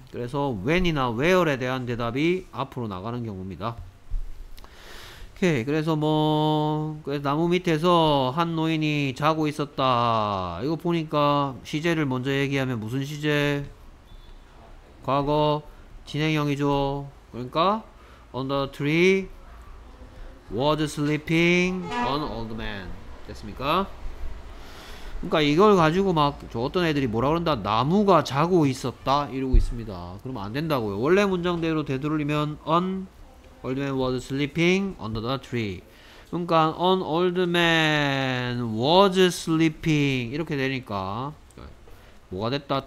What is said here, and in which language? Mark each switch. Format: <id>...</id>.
<ko>그래서 when이나 where에 대한 대답이 앞으로 나가는 경우입니다. 오케이. 그래서 뭐 그래서 나무 밑에서 한 노인이 자고 있었다. 이거 보니까 시제를 먼저 얘기하면 무슨 시제? 과거 진행형이죠. 그러니까</ko> <en>under the tree was sleeping an old man.</en> <ko>됐습니까? 그러니까 이걸 가지고 막 저 어떤 애들이 뭐라 그런다? 나무가 자고 있었다? 이러고 있습니다. 그러면 안 된다고요. 원래 문장대로 되돌리면</ko> <en>an old man was sleeping under the tree.</en> <ko>그러니까</ko> <en>an old man was sleeping</en> <ko>이렇게 되니까 뭐가 됐다?</ko>